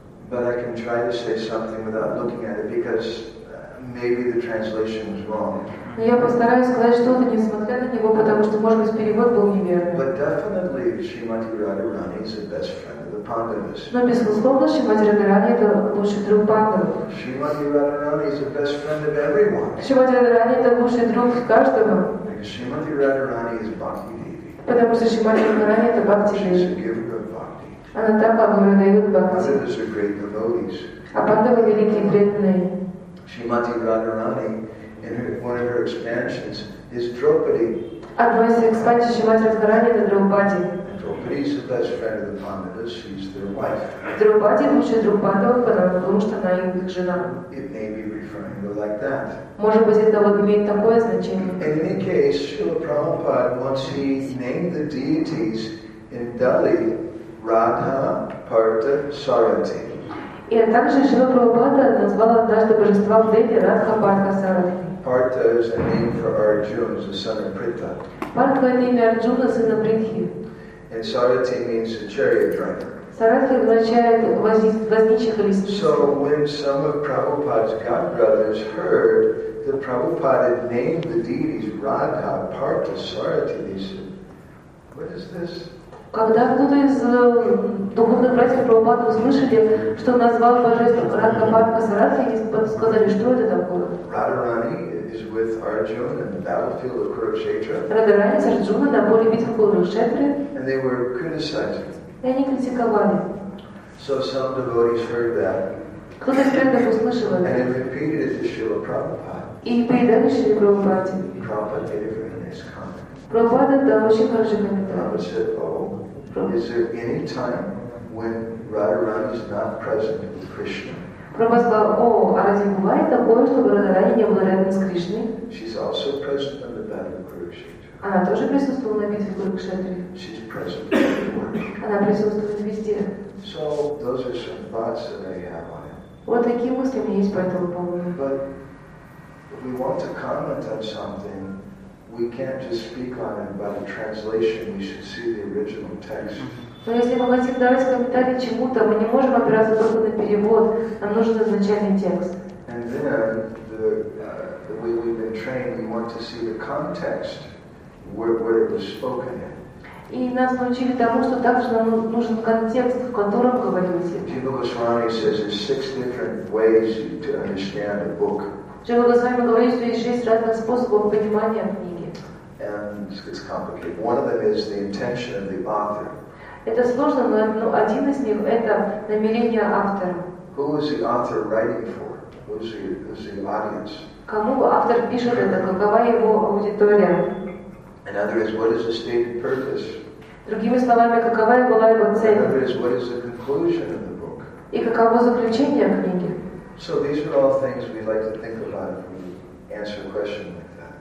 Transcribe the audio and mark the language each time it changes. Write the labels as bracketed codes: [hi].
[en] But I can try to say something without looking at it because maybe the translation was wrong. [ru] Я постараюсь сказать что-то, несмотря на него, потому что, может быть, перевод был неверный. [en] But definitely, Shrimati Radharani is the best friend of the Pandavas. [ru] Но безусловно, Шримати Радхарани это лучший друг Пандавы. [en] Shrimati Radharani is the best friend of everyone. [ru] Шримати Радхарани это лучший друг каждого. [en] Because Shrimati Radharani is Bhakti Devi. [ru] Потому что Шримати Радхарани это Бхакти Деви. Она так обновлена идут бхакти. А Пандавы великие преданные. [en] Шримати Радхарани in her, one of her expansions is Дропади. [ru] Одна из экспансий Шримати Радхарани это Дропади. [en] Дропади is the best friend of the Pandavas. She's their wife. [ru] Дропади лучше друг Пандавы, потому что она их жена. [en] It may be referring to like that. [ru] Может быть, это вот имеет такое значение. [en] In any case, Srila Prabhupada, once he named the deities in Delhi, Radha, Parta, Sarati. [ru] И также Шрила Прабхупада назвал однажды божества в Дели Радха, Парта, Сарати. [en] Parta is a name for Arjuna, the son of Pritha. [ru] Parta это имя Арджуна, сына Притхи. [en] And Sarati means a chariot driver. [ru] Sarati означает возничий колесницы. [en] So when some of Prabhupada's god brothers heard that Prabhupada had named the deities Radha, Parta, Sarati, they said, "What is this?" [ru] Когда кто-то из духовных братьев Прабхупады услышали, что назвал божеством Радха Парта Сарати, и сказали, что это такое? [en] Радхарани is with Arjuna in the battlefield of Kurukshetra. [ru] Радхарани с Арджуной на поле битвы Курукшетры. [en] And they were criticizing. [ru] И они критиковали. [en] So some devotees heard that. [ru] Кто-то из преданных услышал это. [en] And they repeated it to Srila Prabhupada. [ru] И передали Шриле Прабхупаде. [en] Prabhupada gave it in his comment. [ru] Прабхупада дал очень хороший комментарий. [en] Prabhupada said, oh, is there any time when Radharani is not present with Krishna? [ru] Прабхупада сказал, о, а разве бывает такое, чтобы Радхарани не была рядом с Кришной? [en] She's also present on the battle of Kurukshetra. [ru] Она тоже присутствовала на битве Курукшетры. [en] She's present everywhere. [ru] Она присутствует везде. [en] So those are some thoughts that I have on it. [ru] Вот такие мысли у меня есть по этому поводу. [en] But if we want to comment on something, we can't just speak on it by the translation. We should see the original text. [ru] Но если мы хотим давать комментарий чему-то, мы не можем опираться только на перевод. Нам нужен изначальный текст. [en] And then the way we've been trained, we want to see the context where it was spoken in. [ru] И нас научили тому, что также нам нужен контекст, в котором говорилось. [en] Джива Госвами says there's six different ways to understand a book. [ru] Джива Госвами говорит, что есть шесть разных способов понимания книги. [en] And it's complicated. One of them is the intention of the author. [ru] Это сложно, но один из них это намерение автора. [en] Who is the author writing for? Who's the audience? [ru] Кому автор пишет это? Какова его аудитория? [en] In other words, what is the stated purpose? [ru] Другими словами, какова была его цель? [en] In other words, what is the conclusion of the book? [ru] И каково заключение книги? [en] So these are all things we'd like to think about if we answer a question like that.